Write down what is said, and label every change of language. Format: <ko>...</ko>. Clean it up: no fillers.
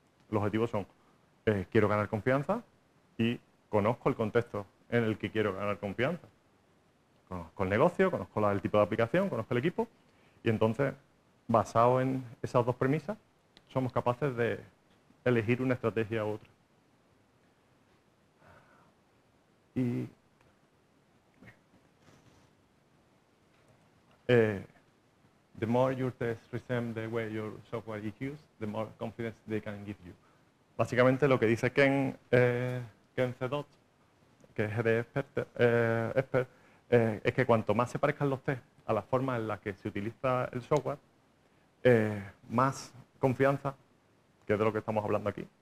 <es>Los objetivos son, quiero ganar confianza y conozco el contexto en el que quiero ganar confianza. Conozco el negocio, conozco el tipo de aplicación, conozco el equipo, y entonces, basado en esas dos premisas, somos capaces de elegir una estrategia u otra.</es> <en>Y the more your tests resemble the way your software is used, the more confidence they can give you.</en> <es>Básicamente lo que dice Ken Cedot, que es de expert, es que cuanto más se parezcan los tests a la forma en la que se utiliza el software, más confianza, que es de lo que estamos hablando aquí.</es>